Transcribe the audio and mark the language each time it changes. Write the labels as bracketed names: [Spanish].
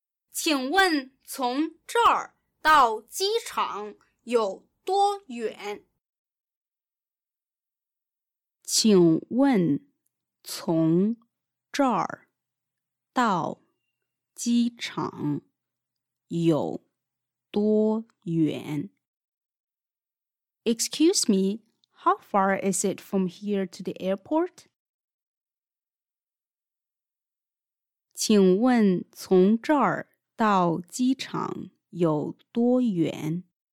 [Chinese] 请问从这儿到机场有多远？请问从这儿到机场有多远？ [English] Excuse me, how far is it from here to the airport? [Chinese] 请问从这儿到机场有多远？